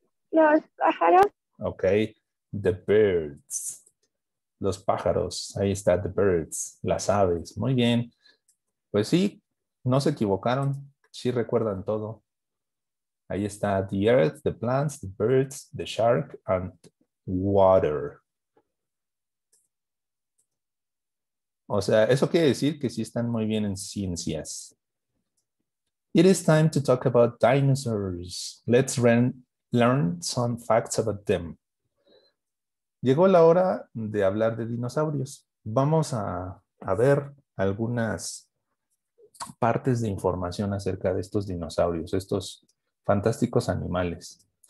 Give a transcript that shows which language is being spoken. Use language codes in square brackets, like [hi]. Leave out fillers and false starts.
[es] Los pájaros. [en] Ok. The birds. [es] Los pájaros, ahí está, [en] the birds, [es] las aves. Muy bien. Pues sí, no se equivocaron, sí recuerdan todo. Ahí está, [en] the earth, the plants, the birds, the shark, and water. [es] O sea, eso quiere decir que sí están muy bien en ciencias. [en] It is time to talk about dinosaurs. Let's learn some facts about them. [es] Llegó la hora de hablar de dinosaurios. Vamos a ver algunas partes de información acerca de estos dinosaurios, estos fantásticos animales.